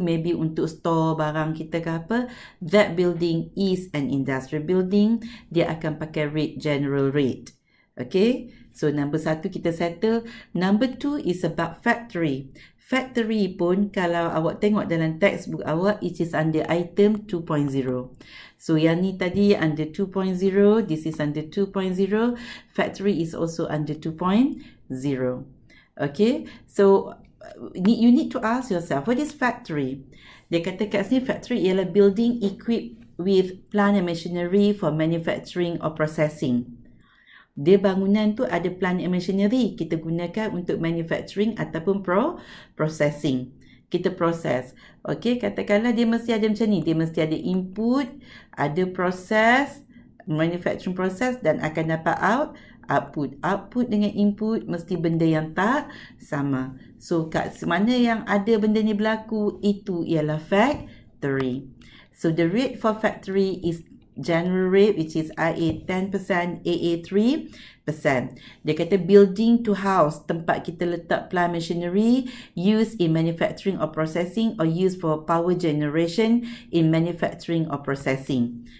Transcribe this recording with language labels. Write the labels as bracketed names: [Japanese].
[English] Maybe [Malay] untuk store barang kita ke apa. [English] That building is an industrial building. [Malay] Dia akan pakai rate, general rate. [English] Okay. So, number [Malay] satu kita settle. [English] Number two is about factory. [Malay] Factory pun kalau awak tengok dalam textbook awak, [English] it is under item 2.0. So [Malay] yang ni tadi [English] under 2.0, this is under 2.0. Factory is also under 2.0. Okay, so you need to ask yourself, what is factory? [Malay] Dia kata kat sini [English] factory ialah building equipped with plant and machinery for manufacturing or processing. [Malay] Dia bangunan tu ada plant and machinery kita gunakan untuk manufacturing ataupun processing. Kita proses. Okay, katakanlah dia mesti ada macam ni. Dia mesti ada input, ada proses, manufacturing proses dan akan dapat output. Output dengan input mesti benda yang tak sama. So, kat mana yang ada benda ni berlaku, itu ialah factory. [English] So, the rate for factory is general rate, which is IA 10%, AA 3%. [Malay] Dia kata [English] building to house, [Malay] tempat kita letak [English] plant machinery, used in manufacturing or processing, or used for power generation in manufacturing or processing.